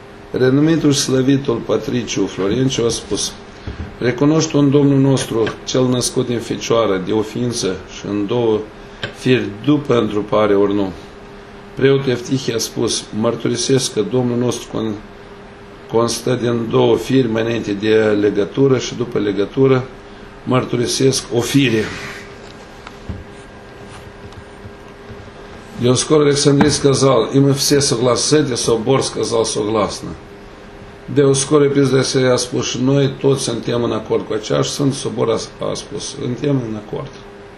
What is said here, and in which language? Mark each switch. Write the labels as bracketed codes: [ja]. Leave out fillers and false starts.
[ro] Renumitul și slăvitul Patriciu Florenciu a spus, recunoști un Domnul nostru, cel născut din Fecioară, de o ființă și în două firi, după întrupare ori nu. Preotul Eftihie a spus, mărturisesc că Domnul nostru constă din două firi, mai înainte de legătură și după legătură, mărturisesc o fire. [ru] Dioscor Александрий сказал, и мы все согласны, собор сказал согласно. [ro] Dioscor Episcopul a spus, noi toți suntem în acord cu aceași, Sfânt Собор a spus, suntem în acord.